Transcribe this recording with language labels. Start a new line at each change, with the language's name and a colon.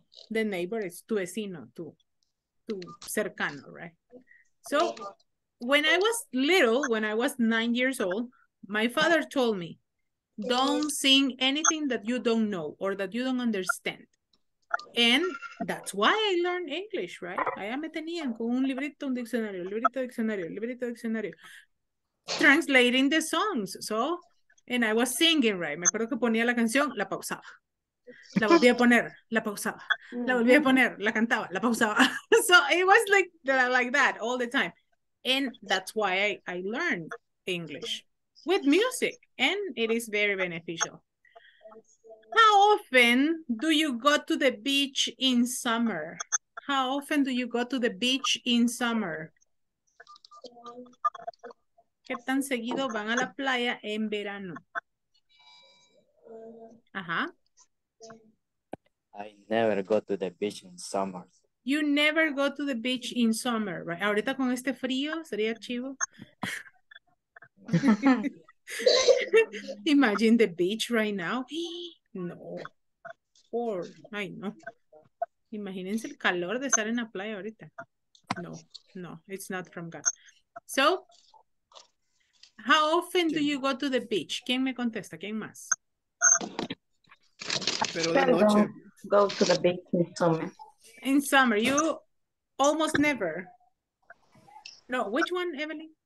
English: The neighbor is
Spanish: tu vecino, tu cercano,
English: right? So when I was little, when I was 9 years old, my father told me, don't sing anything that you don't know or that you don't understand. And that's why I learned English, right?
Spanish: Allá me tenían con un librito, un diccionario, librito, diccionario, librito, diccionario.
English: Translating the songs, so, and I was singing, right?
Spanish: Me acuerdo que ponía la canción, la pausaba. La volví a poner, la pausaba. La volví a poner, la cantaba, la pausaba.
English: So it was like that all the time. And that's why I learned English with music. And it is very beneficial. How often do you go to the beach in summer? How often do you go to the beach in summer?
Spanish: ¿Qué tan seguido van a la playa en verano?
English: I never go to the beach in summer. You never go to the beach in summer, right?
Spanish: Ahorita con este frío, sería chivo.
English: Imagine the beach right now.
Spanish: No, por, ay no, imagínense el calor de estar en la playa ahorita.
English: No, no, it's not from God. So, how often do you go to the beach?
Spanish: ¿Quién me contesta? ¿Quién más? Pero de noche.
English: Go to the beach in summer. In summer, you almost never. No, which one, Evelyn?